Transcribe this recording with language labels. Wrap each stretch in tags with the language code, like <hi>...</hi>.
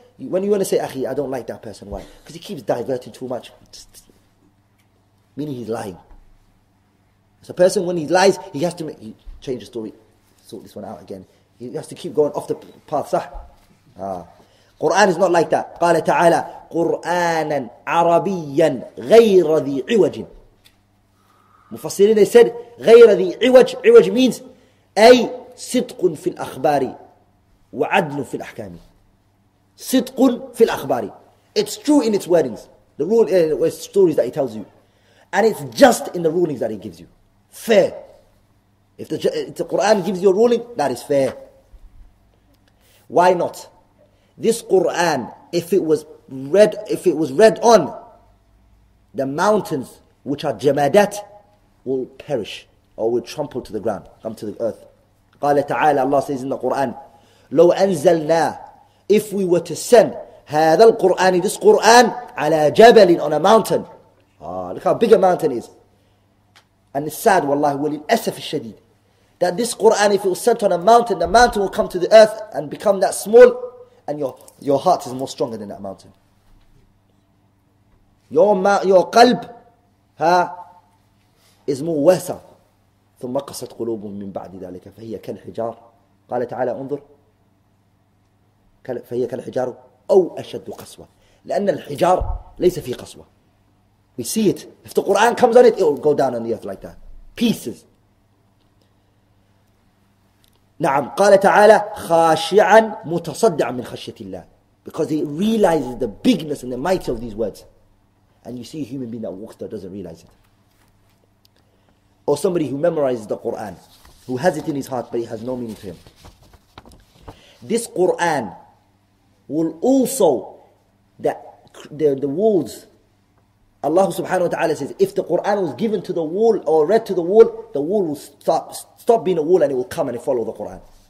<en>When you want to say, Akhi, I don't like that person, why? Because he keeps diverting too much. Meaning he's lying. So a person, when he lies, he has to change the story. Sort this one out again. He has to keep going off the path, صح? Quran is not like that.</en> <ar>قال تعالى, قرآناً عربياً غير ذي عوج.</ar> <en>Mufassirin, they said,</en> <ar>غير ذي عوج. عوج</ar> <en>means,</en> <ar>أي صدق في الأخبار وعدل في الأحكام. Sidqun fil akhbari.</ar> <en>It's true in its wordings, the rule, stories that he tells you, and it's just in the rulings that he gives you. Fair. If the Quran gives you a ruling, that is fair. Why not? This Quran, if it was read on, the mountains which are jamadat will perish or will trample to the ground, come to the earth.</en> <ar>قال تعالى,</ar> <en>Allah says in the Quran,</en> <ar>لو أنزلنا.</ar> <en>If we were to send</en> <ar>هذا القرآن,</ar> <en>this Quran,</en> <ar>على جبل,</ar> <en>on a mountain. Look how big a mountain is. And it's sad, والله,</en> <ar>وللأسف الشديد,</ar> <en>that this Quran, if it was sent on a mountain, the mountain will come to the earth and become that small, and your heart is more stronger than that mountain. Your قلب, is more worse.</en> <ar>ثم قصت قلوبهم من بعد ذلك فهي كالحجار. قال تعالى, انظر. فهي كالحجار أو أشد قسوة لأن الحجار ليس في قسوة.</ar> <en>We see it. If the Quran comes on it, it will go down on the earth like that. Pieces.</en> <ar>نعم. قال تعالى خاشعا متصدعا من خشية الله.</ar> <en>Because he realizes the bigness and the might of these words. And you see a human being that walks there doesn't realize it. Or somebody who memorizes the Quran, who has it in his heart but it has no meaning to him. This Quran will also, the walls, Allah subhanahu wa ta'ala says, if the Quran was given to the wall or read to the wall will stop being a wall and it will come and it follow the Quran.</en>